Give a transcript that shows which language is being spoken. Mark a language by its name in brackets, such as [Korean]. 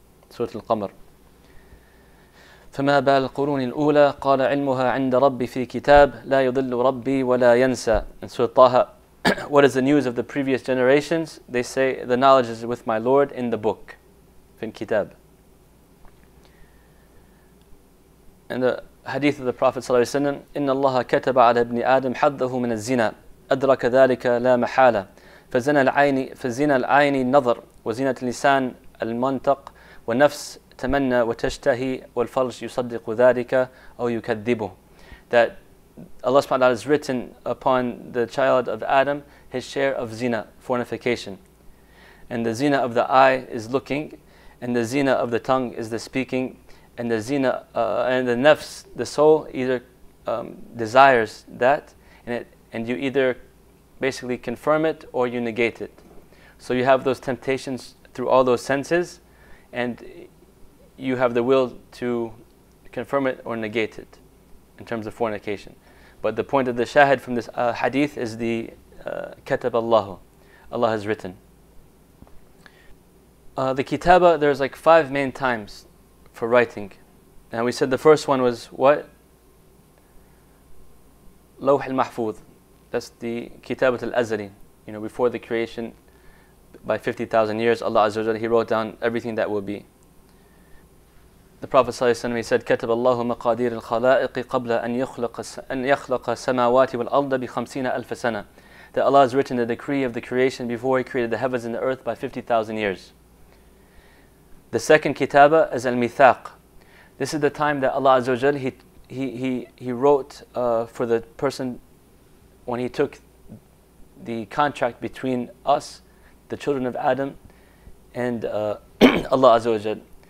[Arabic] Surah Al-Qamar. فَمَا بَالْ قُرُونِ الْأُولَى قَالَ عِلْمُهَا عِنْدَ رَبِّي فِي كِتَابٍ لَا يُضِلُّ رَبِّي وَلَا يَنْسَى. [English] In Surah Taha, what is the news of the previous generations? They say, the knowledge is with my Lord in the book, in Kitab. And the hadith of the Prophet [Arabic] ﷺ, إِنَّ اللَّهَ كَتَبَ عَلَى ابْنِ آدَمْ حَدَّهُ مِنَ الزِّنَى أَدْرَكَ ذَلِكَ لَا مَحَالَ فَزِنَ الْعَيْنِ النَّظَرِ وَزِنَةِ اللِّسَانِ الْمَنْطَقِ وَنَفْسِ تَمَنَّى وَتَشْتَهِي وَالْفَرْجِ يُصَدِّقُ ذَلِكَ أَوْ يُكَذِّبُهُ. [English] That Allah subhanahu wa ta'ala has written upon the child of Adam his share of zina, fornication. And the zina of the eye is looking, and the zina of the tongue is the speaking, and the zina and the nafs, the soul, either desires that, and you either basically confirm it or you negate it. So you have those temptations through all those senses, and you have the will to confirm it or negate it in terms of fornication. But the point of the shahid from this hadith is the katab Allahu. Allah has written. The kitabah, there's like five main times for writing. And we said the first one was what? Lawh al-Mahfuz. That's the kitabat al-Azali. You know, before the creation by 50,000 years, Allah Azza wa Jalla, He wrote down everything that will be. [Arabic] The Prophet صلى الله عليه وسلم, [English] he said, [Arabic] كتب الله مقادير الخلائق قبل أن يخلق السماوات والأرض بخمسين ألف سنة. [English] That Allah has written the decree of the creation before He created the heavens and the earth by 50,000 years. The second kitabah is al-mithaq. This is the time that Allah Azza wa Jalla, he wrote for the person when He took the contract between us, the children of Adam, and Allah Azza wa Jalla.